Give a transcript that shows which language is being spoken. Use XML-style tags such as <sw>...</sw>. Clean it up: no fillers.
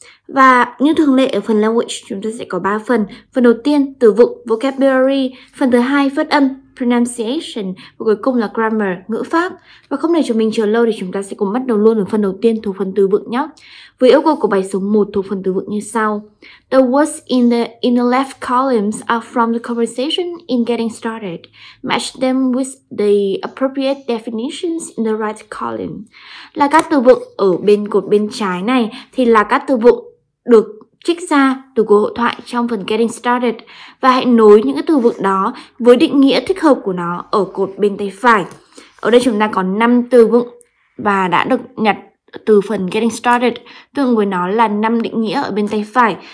<vi>Và như thường lệ ở phần Language, chúng ta sẽ có 3 phần. Phần đầu tiên, từ vựng, Vocabulary. Phần thứ hai, phát âm, Pronunciation. Và cuối cùng là Grammar, ngữ pháp. Và không để cho mình chờ lâu thì chúng ta sẽ cùng bắt đầu luôn ở phần đầu tiên thuộc phần từ vựng nhé. Với yêu cầu của bài số 1 thuộc phần từ vựng như sau.</vi> <en>The words in the left columns are from the conversation in Getting Started. Match them with the appropriate definitions in the right column.</en> <vi>Là các từ vựng ở bên cột bên trái này thì là các từ vựng được trích ra từ cuộc hội thoại trong phần Getting Started. Và hãy nối những cái từ vựng đó với định nghĩa thích hợp của nó ở cột bên tay phải. Ở đây chúng ta có 5 từ vựng và đã được nhặt từ phần Getting Started, tương ứng với nó là 5 định nghĩa ở bên tay phải.</vi>